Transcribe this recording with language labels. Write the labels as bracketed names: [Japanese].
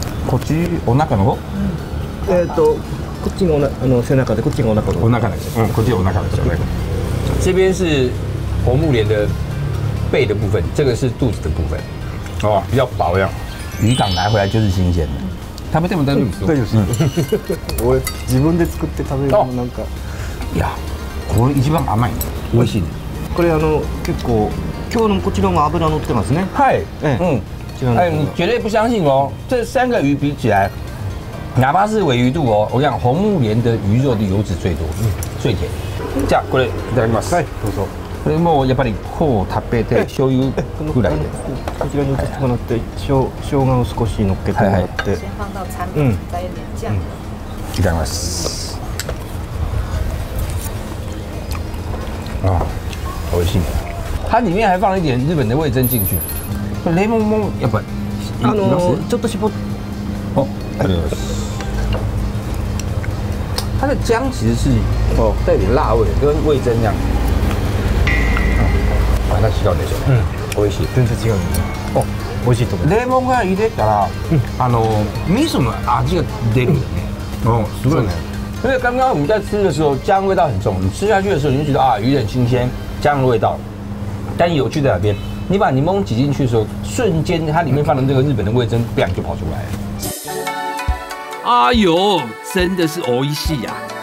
[Japanese] こっちお腹の方？こっちがおなあの背中でこっちがお腹の方。お腹です。うん、こっちがお腹ですよね。 [Chinese] 这边是红木莲的背的部分，这个是肚子的部分。哦，比较薄呀。渔港拿回来就是新鲜的。 [Japanese] 食べても大丈夫ですよ。大丈夫です。俺自分で作って食べるのもなんか。いや、これ一番甘い。美味しい。これあの結構今日のこちらも脂乗ってますね。はい。 [Chinese] 哎，你绝对不相信哦！这三个鱼比起来，哪怕是尾鱼肚哦，我跟你讲红木莲的鱼肉的油脂最多，最甜。 [Japanese] じゃあこれいただきます。はい、どうぞ。これもやっぱりこう食べて醤油ぐらいで。こちらに移してもらって、生姜を少し乗っけてもらって。 [Chinese] 先放到产品，再有点酱。 [Japanese] いただきます。 [Chinese] 啊，好新鲜！它里面还放了一点日本的味噌进去。 [Japanese] レモンもやっぱあのちょっと絞っ、お、ありがとうございます。 [Chinese] 它的姜其实是哦带点辣味，跟味噌一样。 [Japanese] あ、また違うんでしょ。うん、美味しい。全然違うんですね。お、美味しいと思う。レモンが入れたら、あの味噌の味が出るよね。お、すごいね。 [Chinese] 因为刚刚我们在吃的时候，姜味道很重，你吃下去的时候，你就觉得啊，有点新鲜，姜的味道。但有趣在哪边？你把柠檬挤进去的时候，瞬间它里面放的这个日本的味噌，砰就跑出来了。哎呦，真的是欧一系呀！